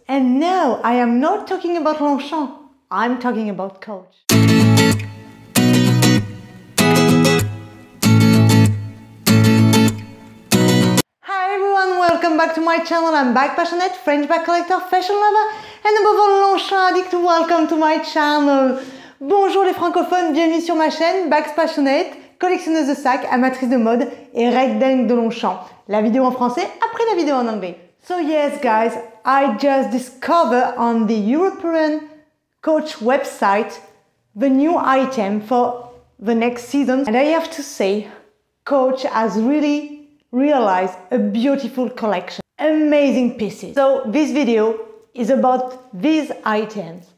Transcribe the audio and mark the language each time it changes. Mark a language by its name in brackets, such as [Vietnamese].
[English] And now I am not talking about Longchamp, I'm talking about Coach. Hi everyone, welcome back to my channel. I'm bag passionate, French bag collector, fashion lover, and above all, Longchamp addict. Welcome to my channel. [French] Bonjour les francophones, bienvenue sur ma chaîne Bags Passionate, collectionneuse de sacs, amatrice de mode et redingue de Longchamp. La vidéo en français après la vidéo en anglais. [English] So yes guys, I just discovered on the European Coach website the new item for the next season. And I have to say, Coach has really realized a beautiful collection. Amazing pieces. So this video is about these items.